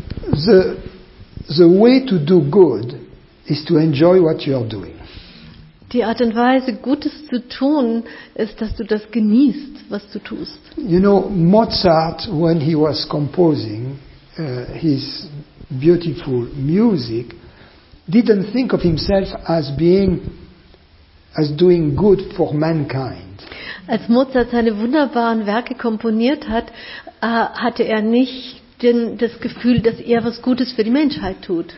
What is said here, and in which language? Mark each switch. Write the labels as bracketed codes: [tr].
[en] The way to do good is to enjoy what you are doing. [de] Die Art und Weise, Gutes zu tun, ist, dass du das genießt, was du tust. [en] You know, Mozart, when he was composing his beautiful music, didn't think of himself as being as doing good for mankind. [de] Als Mozart seine wunderbaren Werke komponiert hat, hatte er nicht das Gefühl, dass er was Gutes für die Menschheit tut.